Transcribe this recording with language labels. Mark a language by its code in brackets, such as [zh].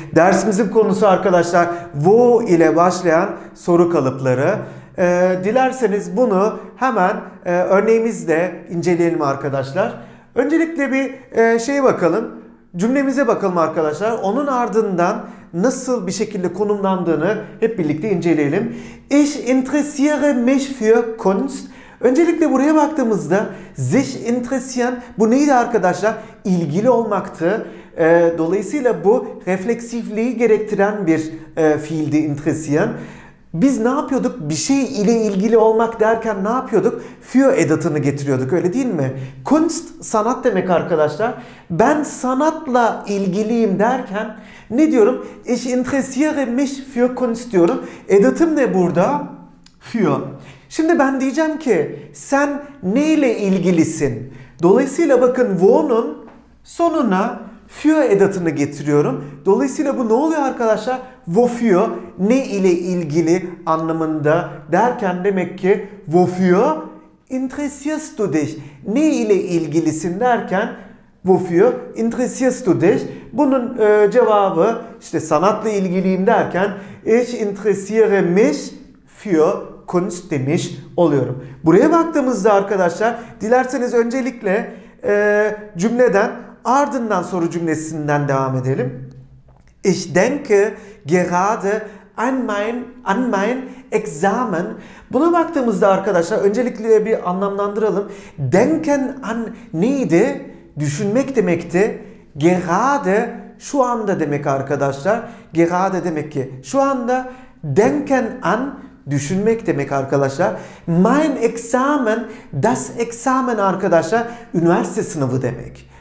[tr] Dersimizin konusu arkadaşlar, wo ile başlayan soru kalıpları. Dilerseniz bunu hemen örneğimizle inceleyelim arkadaşlar. Öncelikle bir bakalım, cümlemize bakalım arkadaşlar. Onun ardından nasıl bir şekilde konumlandığını hep birlikte inceleyelim. [de] Ich interessiere mich für Kunst. [tr] Öncelikle buraya baktığımızda [de] sich interessieren, [tr] bu neydi arkadaşlar? İlgili olmaktı. Dolayısıyla bu refleksifliği gerektiren bir fiildi interessieren. Biz ne yapıyorduk? Bir şey ile ilgili olmak derken ne yapıyorduk? Für edatını getiriyorduk, öyle değil mi? Kunst, sanat demek arkadaşlar. Ben sanatla ilgiliyim derken ne diyorum? [de] Ich interessiere mich für Kunst [tr] diyorum. Edatım ne burada? Für. Şimdi ben diyeceğim ki sen neyle ilgilisin? Dolayısıyla bakın wo'nun sonuna für edatını getiriyorum. Dolayısıyla bu ne oluyor arkadaşlar? Wofür, ne ile ilgili anlamında derken demek ki [de] wofür interessierst du dich? [tr] Ne ile ilgilisin derken [de] wofür interessierst du dich? [tr] Bunun cevabı işte sanatla ilgiliyim derken [de] ich interessiere mich für Kunst [tr] demiş oluyorum. Buraya baktığımızda arkadaşlar dilerseniz öncelikle cümleden ardından soru cümlesinden devam edelim. [de] Ich denke gerade an mein Examen. [tr] Buna baktığımızda arkadaşlar öncelikle bir anlamlandıralım. Denken an neydi? Düşünmek demekti. Gerade şu anda demek arkadaşlar. Gerade demek ki şu anda. Denken an düşünmek demek arkadaşlar. [de] Mein Examen, das Examen [tr] arkadaşlar, üniversite sınavı demek.